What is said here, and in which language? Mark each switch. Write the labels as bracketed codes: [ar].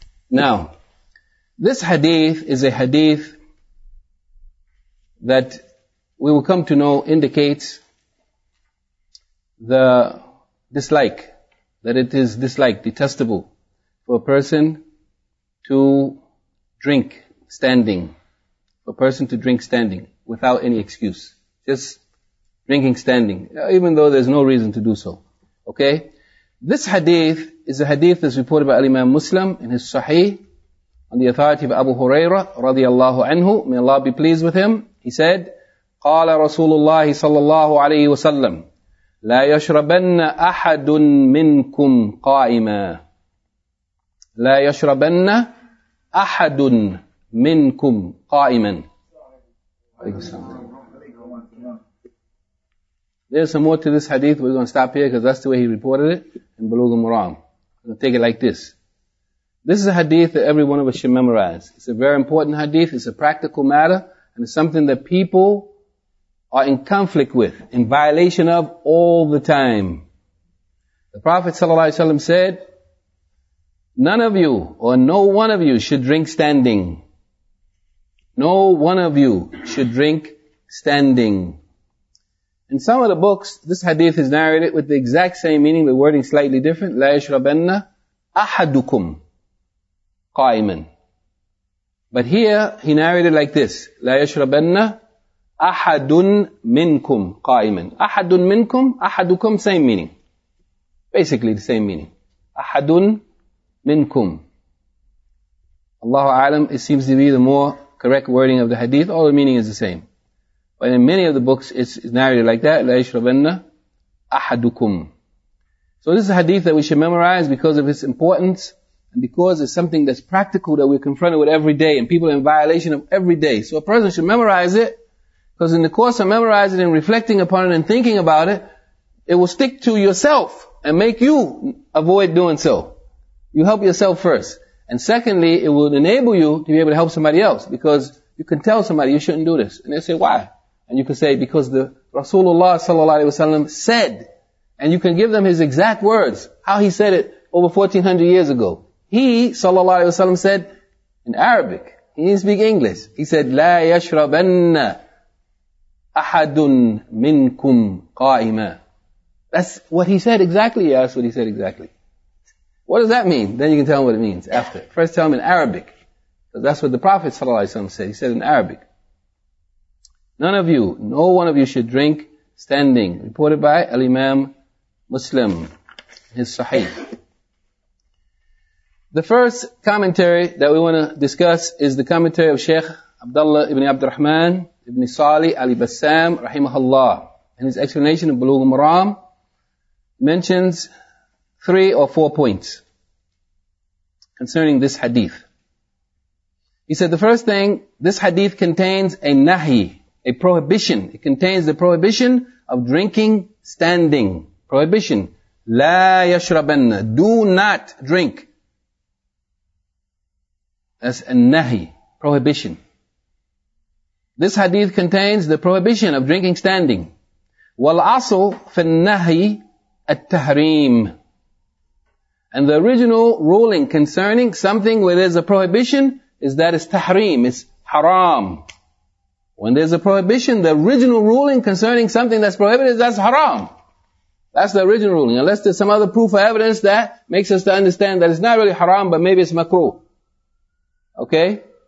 [en] Now, this hadith is a hadith that we will come to know indicates the dislike, that it is disliked, detestable for a person to drink standing, for a person to drink standing without any excuse. Just drinking standing, even though there's no reason to do so. Okay? This hadith is a hadith that's reported by Imam Muslim in his Sahih on the authority of Abu Hurairah radiallahu anhu. May Allah be pleased with him. He said, [ar] قال رسول الله صلى الله عليه وسلم لا يشربن أحد منكم قائما لا يشربن أحد منكم قائما. [en] There's some more to this hadith. We're going to stop here because that's the way he reported it in Bulugh al-Maram. We'll take it like this. This is a hadith that every one of us should memorize. It's a very important hadith. It's a practical matter. And it's something that people are in conflict with, in violation of all the time. The Prophet ﷺ said, none of you or no one of you should drink standing. No one of you should drink standing. In some of the books, this hadith is narrated with the exact same meaning, the wording slightly different. [ar] لا يشربن أحدكم قائما. [en] But here, he narrated like this. [ar] لا يشربن أحد منكم قائما. أحد منكم, أحدكم, [en] same meaning. Basically the same meaning. [ar] أحد منكم. الله أعلم, [en] it seems to be the more correct wording of the hadith. All the meaning is the same. But in many of the books, it's narrated like that. [ar] لا يشربن أحدكم. [en] So this is a hadith that we should memorize because of its importance and because it's something that's practical that we're confronted with every day and people are in violation of every day. So a person should memorize it because in the course of memorizing and reflecting upon it and thinking about it, it will stick to yourself and make you avoid doing so. You help yourself first. And secondly, it will enable you to be able to help somebody else because you can tell somebody you shouldn't do this. And they say, why? And you can say, because the Rasulullah sallallahu alaihi wasallam said, and you can give them his exact words, how he said it over 1400 years ago. He, sallallahu alaihi wasallam, said in Arabic, he didn't speak English. He said, [ar] لا يشربن أحد منكم قائما. [en] That's what he said exactly. That's what he said exactly. What does that mean? Then you can tell him what it means after. First tell him in Arabic. Because that's what the Prophet sallallahu alaihi wasallam said. He said in Arabic. None of you, no one of you should drink standing. Reported by Al-Imam Muslim, his Sahih. The first commentary that we want to discuss is the commentary of Shaykh Abdullah ibn Abd al-Rahman ibn Salih al-Bassam, rahimahullah. And his explanation of Bulugh al-Maram mentions 3 or 4 points concerning this hadith. He said the first thing, this hadith contains a nahi, a prohibition. It contains the prohibition of drinking standing. Prohibition. [ar] لا يشربن. [en] Do not drink. That's a nahi, prohibition. This hadith contains the prohibition of drinking standing. [ar] والأصل في النهي التحريم. [en] And the original ruling concerning something where there's a prohibition is that it's tahrim, it's haram. When there's a prohibition, the original ruling concerning something that's prohibited is that's haram. That's the original ruling. Unless there's some other proof or evidence that makes us to understand that it's not really haram, but maybe it's makruh. Okay?